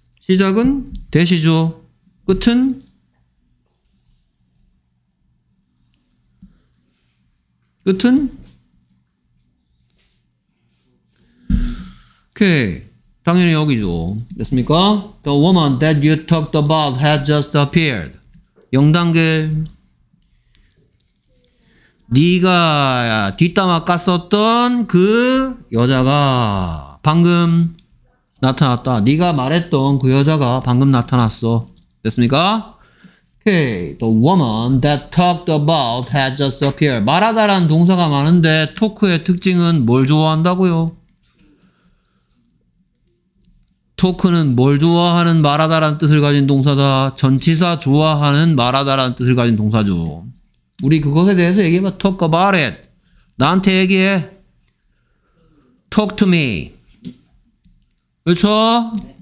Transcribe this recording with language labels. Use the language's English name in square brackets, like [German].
[Korean] 시작은 대시죠. 끝은 끝은 오케이. 당연히 여기죠. 됐습니까? [English] The woman that you talked about had just appeared. [Korean] 0단계 네가 뒷담화 깠었던 그 여자가 방금 나타났다. 네가 말했던 그 여자가 방금 나타났어. 됐습니까? Okay. [English] The woman that talked about had just appeared. [Korean] 말하다라는 동사가 많은데 토크의 특징은 뭘 좋아한다고요? 토크는 뭘 좋아하는 말하다라는 뜻을 가진 동사다. 전치사 좋아하는 말하다라는 뜻을 가진 동사죠. 우리 그것에 대해서 얘기해봐. [English] Talk about it. [Korean] 나한테 얘기해. [English] Talk to me. [Korean] 그렇죠?